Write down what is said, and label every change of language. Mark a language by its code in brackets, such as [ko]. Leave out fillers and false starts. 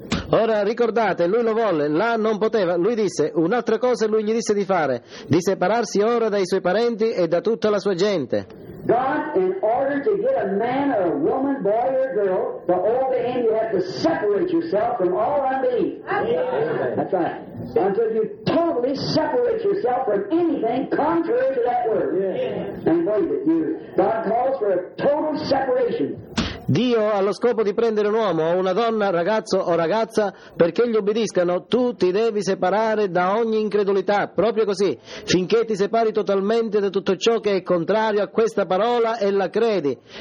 [it] Ora ricordate, lui lo volle, là non poteva, lui disse un'altra cosa, lui gli disse di fare, di separarsi ora dai suoi parenti e da tutta la sua gente. [en] God, in order to get a man or a woman, boy or girl, the old man, you have to separate yourself from all unbelief. That's right. Until you totally separate yourself from anything contrary to that word. And believe it, God calls for a total separation. [it] Dio ha lo scopo di prendere un uomo o una donna, ragazzo o ragazza, perché gli obbediscano. Tu ti devi separare da ogni incredulità, proprio così, finché ti separi totalmente da tutto ciò che è contrario a questa parola e la credi.